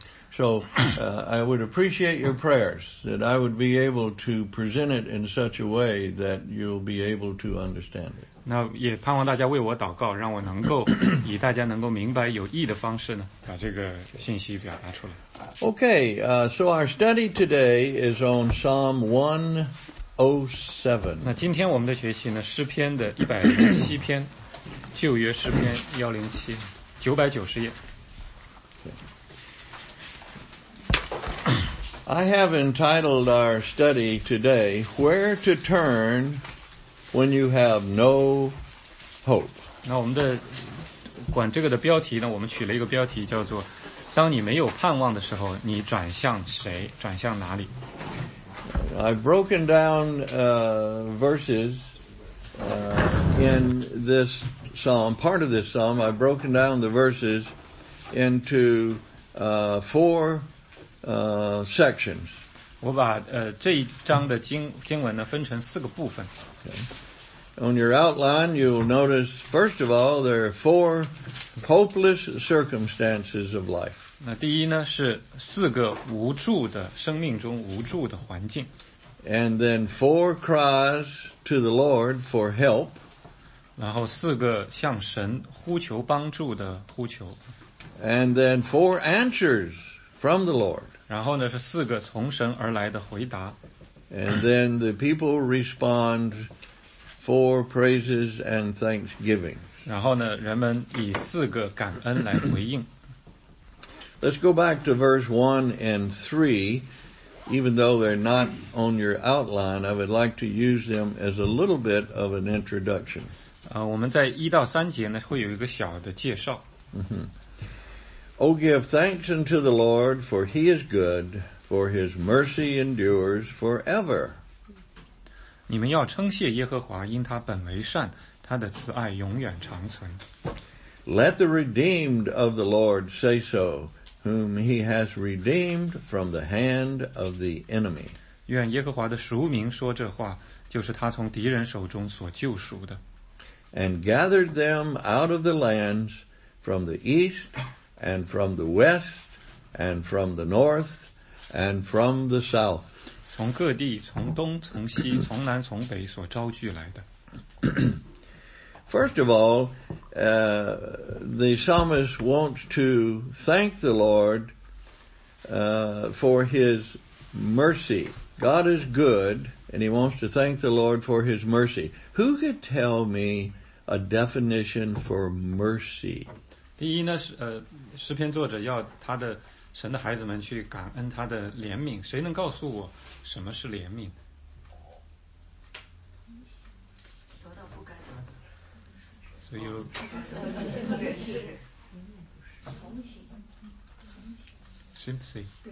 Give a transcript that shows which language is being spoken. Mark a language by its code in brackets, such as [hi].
[en] So, I would appreciate your prayers that I would be able to present it in such a way that you'll be able to understand it. [zh] 那也盼望大家为我祷告，让我能够以大家能够明白有意的方式呢，把这个信息表达出来。 [en] Okay, so our study today is on Psalm 107. [zh] 那今天我们的学习呢，诗篇的107篇。旧约诗篇107 990页 [en] I have entitled our study today Where to Turn When You Have No Hope [zh] 那我们的管这个的标题呢我们取了一个标题叫做当你没有盼望的时候你转向谁转向哪里 [en] I've broken down verses in thispsalm, part of this psalm, I've broken down the verses into, four, sections. [zh] 我把这一章的经文呢分成四个部分。 [en] Okay. On your outline, you'll notice, first of all, there are four hopeless circumstances of life. [zh] 那第一呢是四个无助的生命中无助的环境。 [en] And then four cries to the Lord for help. [zh] 然后四个向神呼求帮助的呼求。 [en] And then four answers from the Lord. [zh] 然后呢是四个从神而来的回答。 [en] And then the people respond four praises and thanksgiving. [zh] 然后呢人们以四个感恩来回应。 [en] Let's go back to verse 1 and 3. Even though they're not on your outline, I would like to use them as a little bit of an introduction. [zh] 我们在一到三节呢会有一个小的介绍。 Mm-hmm. [en] Oh, give thanks unto the Lord, for he is good, for his mercy endures forever. [zh] 你们要称谢耶和华，因他本为善，他的慈爱永远长存。 [en] Let the redeemed of the Lord say so, whom he has redeemed from the hand of the enemy. [zh] 愿耶和华的属民说这话，就是他从敌人手中所救赎的。 [en] And gathered them out of the lands from the east and from the west and from the north and from the south. [zh] 从各地，从东，从西，从南，从北所招聚来的。 [en] First of all, the psalmist wants to thank the Lord, for his mercy. God is good, and he wants to thank the Lord for his mercy. Who could tell me a definition for mercy? [zh] 第一呢，诗篇作者要他的神的孩子们去感恩他的怜悯。谁能告诉我什么是怜悯？ [en] 所以，sympathy.